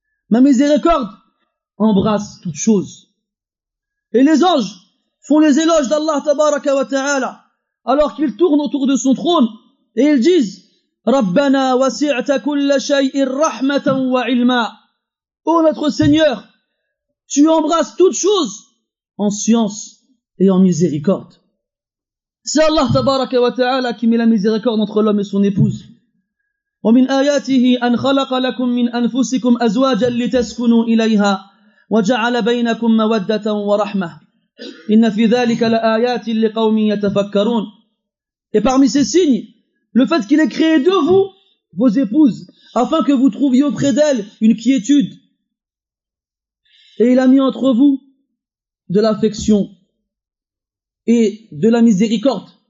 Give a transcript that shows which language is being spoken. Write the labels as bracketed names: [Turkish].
[French] Ma miséricorde embrasse toute chose. Et les anges font les éloges d'Allah tabaraka wa ta'ala alors qu'ils tournent autour de son trône et ils disent [Arabic] رَبَّنَا وَسِعْتَ كُلَّ شَيْءٍ رَحْمَةً وَعِلْمًا. [French] Ô notre Seigneur, tu embrasses toute chose en science et en miséricorde. C'est Allah tabaraka wa ta'ala qui met la miséricorde entre l'homme et son épouse. [Arabic] ومن آياته أن خلق لكم من أنفسكم أزواجا لتسكنوا إليها وجعل بينكم مودة ورحمة إن في ذلك لآيات لقوم يتفكرون. [French] Et parmi ces signes, le fait qu'il ait créé de vous vos épouses afin que vous trouviez auprès d'elles une quiétude, et il a mis entre vous de l'affection et de la miséricorde.